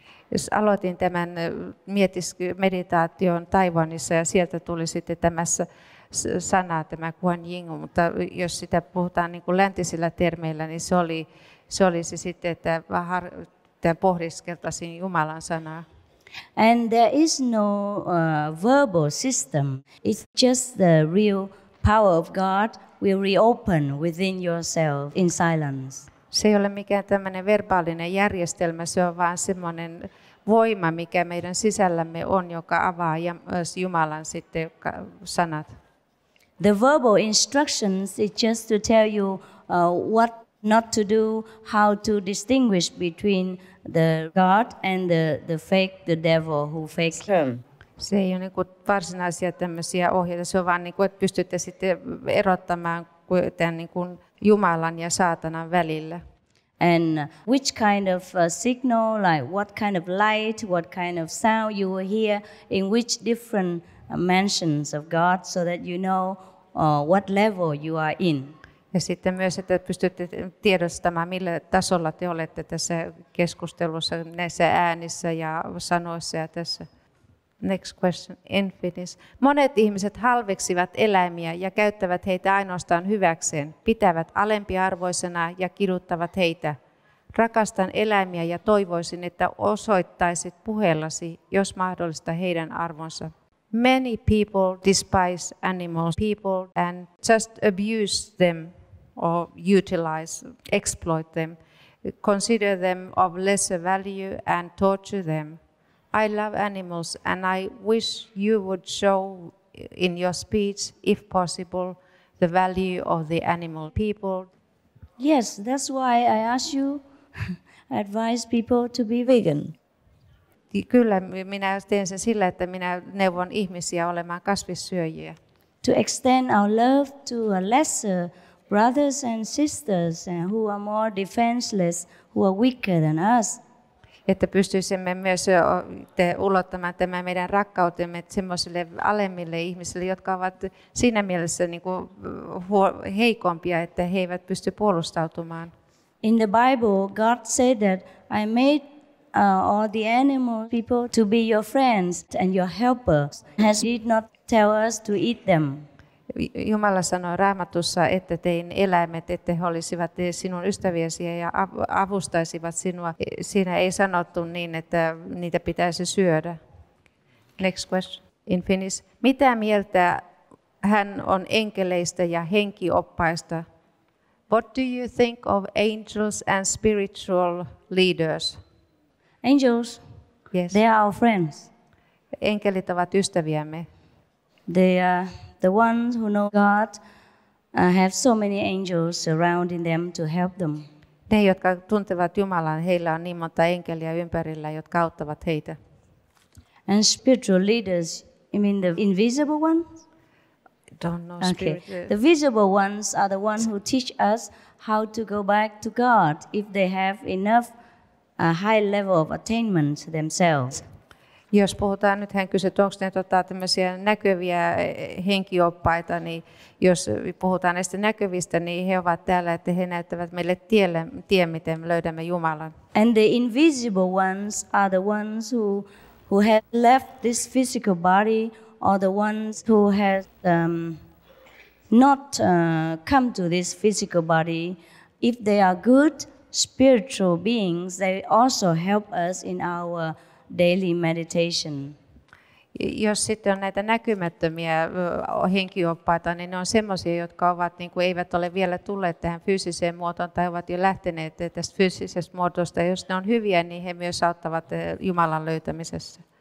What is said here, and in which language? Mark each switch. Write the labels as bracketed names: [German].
[Finnish] Jos aloitin tämän meditaation Taiwanissa ja sieltä tuli sitten tämä sana, tämä Kuan Yin, mutta jos sitä puhutaan niin kuin läntisillä termeillä, niin se oli sitten, että pohdiskeltaisin Jumalan sanaa. [English] And there is no verbal system. It's just the real power of God will reopen within yourself in silence. [Finnish] Se ei ole mikään tämmöinen verbaalinen järjestelmä, se on vaan semmoinen voima, mikä meidän sisällämme on, joka avaa Jumalan sitten sanat. [English] The verbal instructions is just to tell you what not to do, how to distinguish between the God and the fake, the devil who fakes him. [Finnish] Se ei ole niin kuin varsinaisia tämmöisiä ohjeita, se on vaan niin kuin, että pystytte sitten erottamaan tämän niin kuin Jumalan ja saatanan välillä. [English] And which kind of signal, like what kind of light, what kind of sound you will hear, in which different mansions of God, so that you know what level you are in. [Finnish] Ja sitten myös, että pystytte tiedostamaan, millä tasolla te olette tässä keskustelussa, näissä äänissä ja sanoissa ja tässä. [English] Next question, in Finnish. [Finnish] Monet ihmiset halveksivat eläimiä ja käyttävät heitä ainoastaan hyväkseen, pitävät alempiarvoisena ja kiduttavat heitä. Rakastan eläimiä ja toivoisin, että osoittaisit puheellasi, jos mahdollista, heidän arvonsa. [English] Many people despise animals, people and just abuse them or utilize, exploit them, consider them of lesser value and torture them. I love animals and I wish you would show in your speech, if possible, the value of the animal people. Yes, that's why I ask you, advise people to be vegan. [Finnish] Kyllä, minä teen sen sillä, että minä neuvon ihmisiä olemaan kasvissyöjiä. [English] To extend our love to a lesser brothers and sisters and who are more defenseless, who are weaker than us. [Finnish] Että pystyisimme myös ulottamaan tämän meidän rakkautemme semmoisille alemmille ihmisille, jotka ovat siinä mielessä niin kuin heikompia, että he eivät pysty puolustautumaan. [English] In the Bible, God said that I made all the animal people to be your friends and your helpers. Has He not tell us to eat them? [Finnish] Jumala sanoi Raamatussa, että tein eläimet, että he olisivat sinun ystäviäsi ja avustaisivat sinua. Siinä ei sanottu niin, että niitä pitäisi syödä. [English] Next question in Finnish. [Finnish] Mitä mieltä hän on enkeleistä ja henkioppaista? [English] What do you think of angels and spiritual leaders? Angels, yes. They are our friends. [Finnish] Enkelit ovat ystäviämme. [English] They are the ones who know God have so many angels surrounding them to help them. [Finnish] Ne, jotka tuntevat Jumalan, heillä on niin monta enkeliä ympärillä, jotka auttavat heitä. [English] And spiritual leaders, you mean the invisible ones? I don't know. Okay. The visible ones are the ones who teach us how to go back to God if they have enough a high level of attainment themselves. [Finnish] Jos puhutaan, nyt hän kysyy, onko ne tämmöisiä näkyviä henkioppaita, niin jos puhutaan näistä näkyvistä, niin he ovat täällä, että he näyttävät meille tien, miten löydämme Jumalan. [English] And the invisible ones are the ones who have left this physical body, or the ones who have not come to this physical body. If they are good spiritual beings, they also help us in our daily meditation. [Finnish] Jos sitten on näitä näkymättömiä henkioppaita, niin ne on semmoisia, jotka ovat niin kuin eivät ole vielä tulleet tähän fyysiseen muotoon tai ovat jo lähteneet tästä fyysisestä muodosta. Jos ne on hyviä, niin he myös auttavat Jumalan löytämisessä.